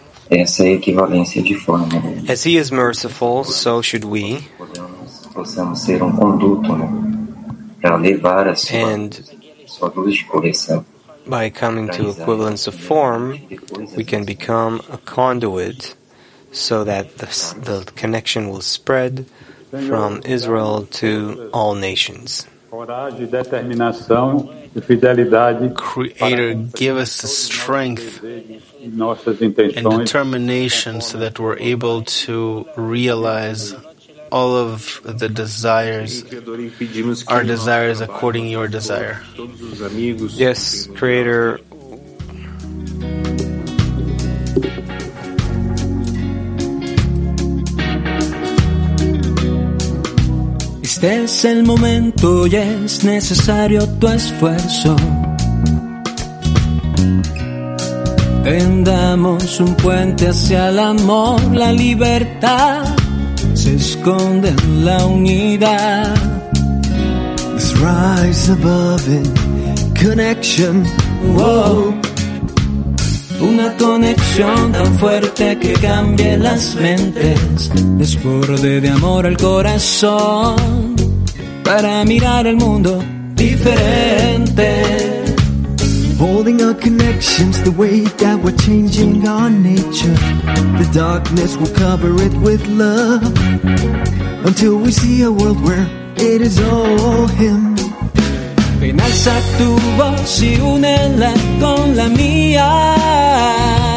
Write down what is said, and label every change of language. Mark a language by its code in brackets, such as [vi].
[pt] Essa equivalência de forma. [en] As He is merciful, so should we. [pt] Possamos ser conduto, né? Para levar a sua, [en] and [pt] sua luz de coleção. [en] By coming to equivalence of form, we can become a conduit so that the connection will spread from Israel to all nations. Creator, give us the strength and determination so that we're able to realize all of the desires, our desires according to your desire. Yes, Creator. [es] Este es el momento y es necesario tu esfuerzo. Tendamos un puente hacia el amor, la libertad. Se esconde en la unidad. [en] Let's rise above in connection. Whoa. [es] Una conexión tan fuerte que cambie las mentes. Desborde de amor al corazón. Para mirar el mundo diferente. [en] Holding our connections the way that we're changing our nature. The darkness will cover it with love. Until we see a world where it is all Him. [es] Ven, alza tu voz y únela con la mía.